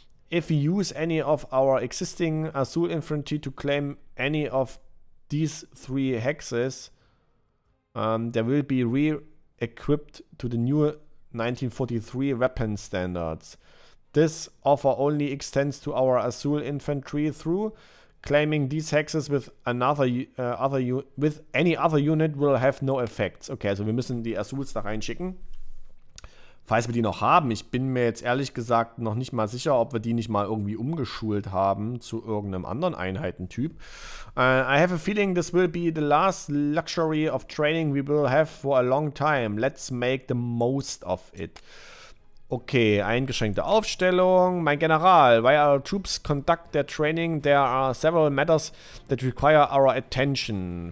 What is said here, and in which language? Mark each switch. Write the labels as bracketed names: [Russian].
[English] If we use any of our existing Azul Infantry to claim any of these three hexes, they will be re-equipped to the new 1943 weapon standards. This offer only extends to our Azul Infantry through. Claiming these hexes with any other unit will have no effects. [German] Okay, also wir müssen die Azuls da reinschicken. Falls wir die noch haben, ich bin mir jetzt ehrlich gesagt noch nicht mal sicher, ob wir die nicht mal irgendwie umgeschult haben zu irgendeinem anderen Einheitentyp. [English] I have a feeling this will be the last luxury of training we will have for a long time. Let's make the most of it. Okay, [German] eingeschränkte Aufstellung. [English] Mein General, while our troops conduct their training, there are several matters that require our attention.